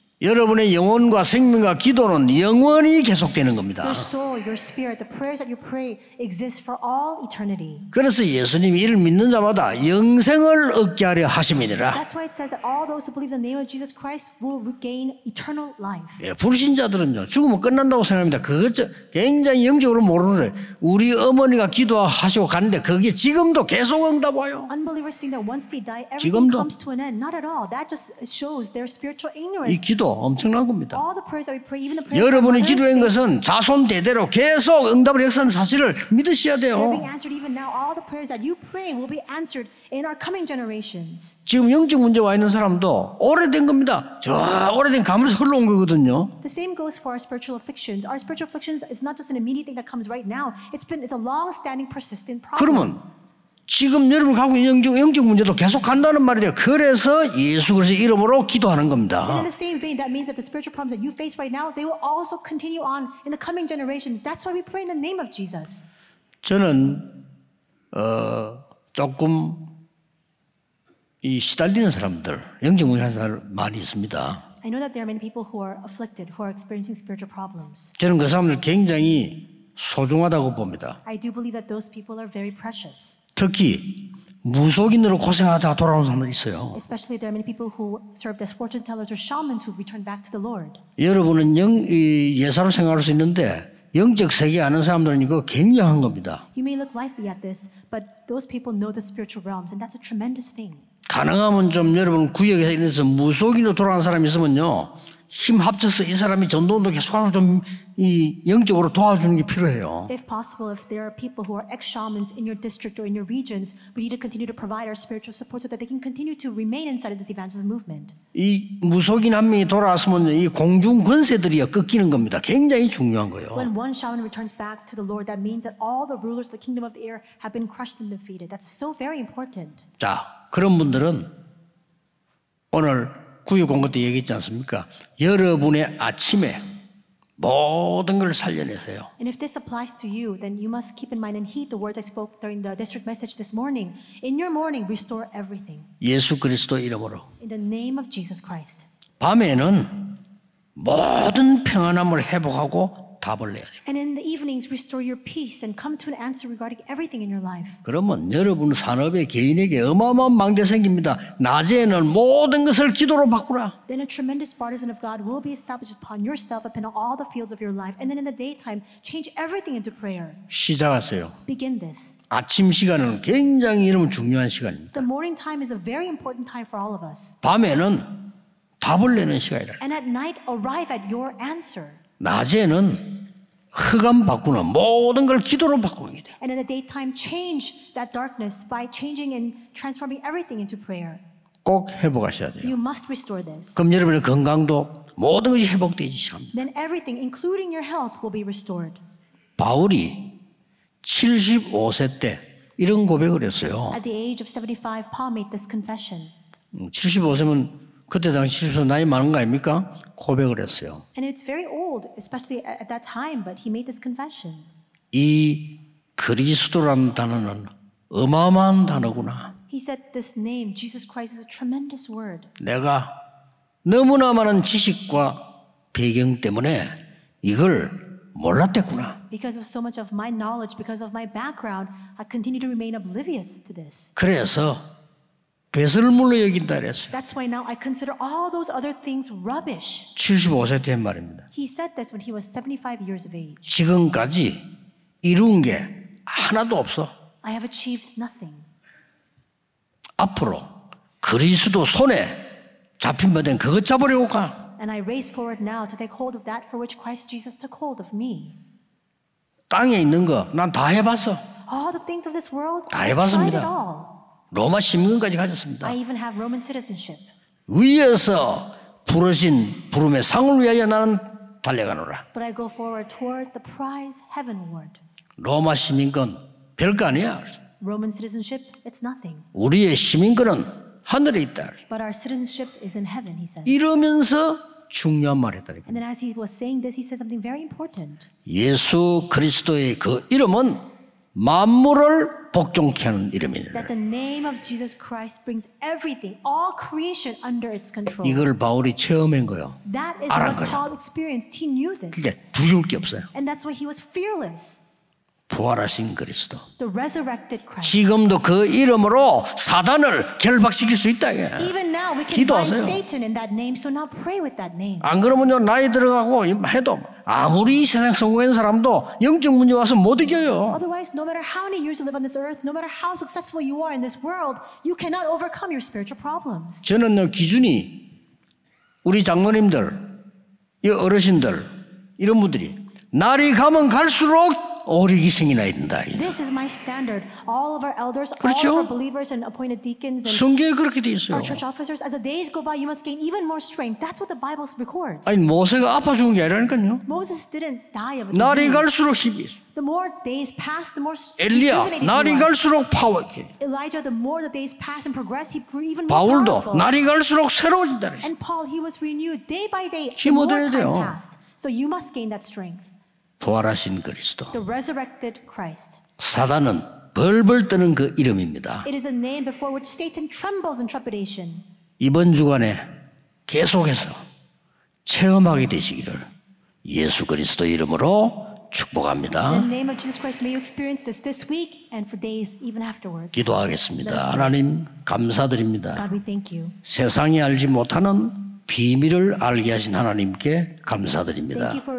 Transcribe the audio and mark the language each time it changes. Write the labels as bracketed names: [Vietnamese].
[Korean] 여러분의 영혼과 생명과 기도는 영원히 계속되는 겁니다. [English] Your soul, your spirit, the prayers that you pray exist for all eternity. [Korean] 그래서 예수님이 이를 믿는 자마다 영생을 얻게 하려 하심이니라. [English] That's why it says that all those who believe in the name of Jesus Christ will regain eternal life. [Korean] 예, 불신자들은요 죽으면 끝난다고 생각합니다. 그것 굉장히 영적으로 모르는데 우리 어머니가 기도하시고 갔는데 그게 지금도 계속 응답 와요. [English] Unbelievers think that once they die, everything [Korean] 지금도. [English] Comes to an end. Not at all. That just shows their spiritual ignorance. [Korean] 기도 엄청난 겁니다. 여러분이 기도한 것은 자손 대대로 계속 응답을 역사하는 사실을 믿으셔야 돼요. [English] Now, [Korean] 지금 영적 문제 와 있는 사람도 오래된 겁니다. 저 오래된 가문에서 흘러온 거거든요. [English] The same goes for our spiritual afflictions. Our spiritual afflictions is not just an immediate thing that comes right now. It's a long-standing, persistent problem. [Korean] 그러면 지금 여러분 갖고 있는 영적 문제도 계속 간다는 말이에요. 그래서 예수 그리스도 이름으로 기도하는 겁니다. [English] And in the same vein, that means that the spiritual problems that you face right now, they will also continue on in the coming generations. That's why we pray in the name of Jesus. [Korean] 저는 조금 이 시달리는 사람들, 영적 문제 하는 사람 많이 있습니다. [English] I know that there are many people who are afflicted, who are experiencing spiritual problems. [Korean] 저는 그 사람들 굉장히 소중하다고 봅니다. [English] I do believe that those people are very precious. [Korean] 특히 무속인으로 고생하다가 돌아온 사람들 있어요. [English] Especially there are many people who served as fortune tellers or shamans who returned back to the Lord. [Korean] 여러분은 예사로 생각할 수 있는데 영적 세계 아는 사람들은 이거 굉장한 겁니다. [English] You may look lightly at this, but those people know the spiritual realms, and that's a tremendous thing. [Korean] 가능하면 좀 여러분 구역에서 인해서 무속인으로 돌아온 사람 있으면요 힘 합쳐서 이 사람이 전도운동 계속하고 좀 이 영적으로 도와주는 게 필요해요. [English] If possible, if there are people who are ex-shamans in your district or in your regions, we need to continue to provide our spiritual support so that they can continue to remain inside of this evangelism movement. [Korean] 이 무속인 한 명이 돌아왔으면 이 공중 권세들이 꺾이는 겁니다. 굉장히 중요한 거예요. [English] When one shaman returns back to the Lord, that means that all the rulers of the kingdom of the air have been crushed and defeated. That's so very important. [Korean] 자, 그런 분들은 오늘 구역 공부 때 얘기했지 않습니까? 여러분의 아침에 모든 걸 살려내세요. [English] And if this applies to you, then you must keep in mind and heed the words I spoke during the district message this morning. In your morning, restore everything. [Korean] 예수 그리스도 이름으로. [English] In the name of Jesus Christ. [Korean] 밤에는 모든 평안함을 회복하고 답을 내야 돼요. [English] And in the evenings, restore your peace and come to an answer regarding everything in your life. [Korean] 그러면 여러분 산업에 개인에게 어마어마한 망대 생깁니다. 낮에는 모든 것을 기도로 바꾸라. [English] Then a tremendous partisan of God will be established upon yourself, upon all the fields of your life, and then in the daytime, change everything into prayer. [Korean] 시작하세요. [English] Begin this. [Korean] 아침 시간은 굉장히 여러분 중요한 시간입니다. [English] The morning time is a very important time for all of us. [Korean] 밤에는 답을 내는 시간이라. [English] And at night, arrive at your answer. [Korean] 낮에는 흑암 바꾸는 모든 걸 기도로 바꾸게 돼. [English] And in the daytime, change that darkness by changing and transforming everything into prayer. [Korean] 꼭 회복하셔야 돼요. [English] You must restore this. [Korean] 그럼 여러분의 건강도 모든 것이 회복되기 시작합니다. [English] Then everything, including your health, will be restored. [Korean] 바울이 75세 때 이런 고백을 했어요. [English] At the age of 75, Paul made this confession. [Korean] 75세면 그때 당시 70세 나이 많은 거 아닙니까? 고백을 했어요. [English] And it's very old, especially at that time, but he made this confession. [Korean] 이 그리스도라는 단어는 어마어마한 단어구나. [English] He said this name, Jesus Christ, is a tremendous word. [Korean] 내가 너무나 많은 지식과 배경 때문에 이걸 몰랐댔구나. [English] Because of so much of my knowledge, because of my background, I continue to remain oblivious to this. [Korean] 그래서 배설물로 여긴다 그랬어요. [English] That's why now I consider all those other things rubbish. [Korean] 75세 때 한 말입니다. [English] He said this when he was 75 years of age. [Korean] 지금까지 이룬 게 하나도 없어. [English] I have achieved nothing. [Korean] 앞으로 그리스도 손에 잡힌 바 된 그것 잡으려고 가. [English] And I race forward now to take hold of that for which Christ Jesus took hold of me. [Korean] 땅에 있는 거 난 다 해봤어. [English] All the things of this world. [Korean] 다 해봤습니다. 로마 시민권까지 가졌습니다. [English] I even have Roman citizenship. [Korean] 위에서 부르신 부름의 상을 위하여 나는 달려가노라. [English] But I go forward toward the prize heavenward. [Korean] 로마 시민권 별거 아니야. [English] Roman citizenship, it's nothing. [Korean] 우리의 시민권은 하늘에 있다. [English] But our citizenship is in heaven, he says. [Korean] 이러면서 중요한 말 했다. [English] And then as he was saying this, he said something very important. [Korean] 예수 그리스도의 그 이름은 만물을 복종케 하는 이름이니라. [English] That the name of Jesus Christ brings everything, all creation under its control. [Korean] 이걸 바울이 체험한 거요. [English] That is what Paul experienced. He knew this. [Korean] 그게 두려울 게 없어요. [English] And that's why he was fearless. [Korean] 부활하신 그리스도. [English] The resurrected Christ. [Korean] 지금도 그 이름으로 사단을 결박시킬 수 있다. 기도하세요. [English] Even now we can bind Satan in that name. So now pray with that name. [Korean] 안 그러면요 나이 들어가고 해도 아무리 세상 성공한 사람도 영적 문제 와서 못 이겨요. [English] Otherwise, no matter how many years you live on this earth, no matter how successful you are in this world, you cannot overcome your spiritual problems. [Korean] 저는요 기준이 우리 장로님들, 이 어르신들 이런 분들이 날이 가면 갈수록 오리기 생이나 있는다. 그렇죠? 성경에 그렇게 돼 있어요. [English] Our church officers, as the days go by, you must gain even more strength. That's what the Bible records. [Korean] 아니 모세가 아파 죽은 게 아니라니까요. [English] Moses didn't die of a [Korean] 날이 갈수록 힘이 있어. [English] The more days pass, the more strength. [Korean] 엘리야 날이 갈수록 파워 있게. [English] Elijah, the more the days pass and progress, he grew even more. [Korean] 바울도 날이 갈수록 새로워진다. [English] And Paul, he was renewed day by day. The more time passed, so you must gain that strength. [Korean] 부활하신 그리스도. [English] The resurrected Christ. [Korean] 사단은 벌벌 떠는 그 이름입니다. [English] It is a name before which Satan trembles in trepidation. [Korean] 이번 주간에 계속해서 체험하게 되시기를 예수 그리스도 이름으로 축복합니다. [English] In the name of Jesus Christ, may you experience this this week and for days even afterwards. [Korean] 기도하겠습니다. 하나님 감사드립니다. [English] God, we thank you. [Korean] 세상이 알지 못하는 비밀을 알게 하신 하나님께 감사드립니다.